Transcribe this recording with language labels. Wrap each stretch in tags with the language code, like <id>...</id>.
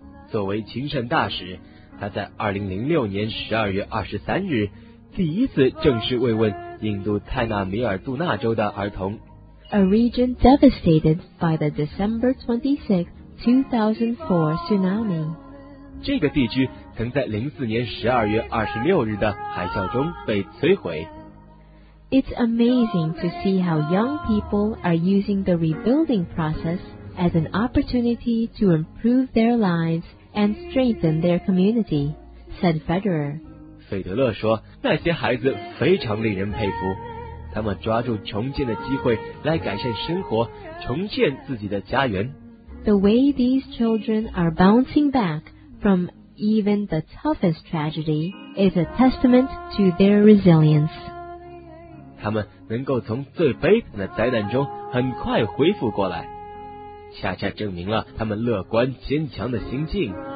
<zh>作为亲善大使，他在2006年12月23日第一次正式慰问印度泰纳米尔杜纳州的儿童。</zh> <en>A region devastated by the December 26, 2004 tsunami.</en> <zh>这个地区曾在04年12月26日的海啸中被摧毁。</zh> <en>It's amazing to see how young people are using the rebuilding process as an opportunity to improve their lives and strengthen their community, said Federer.</en> <zh>费德勒说，那些孩子非常令人佩服，他们抓住重建的机会来改善生活，重建自己的家园。</zh> <en>The way these children are bouncing backfrom even the toughest tragedy is a testament to their resilience.</en> <zh>他们能够从最悲惨的灾难中很快恢复过来，恰恰证明了他们乐观坚强的心境。</zh>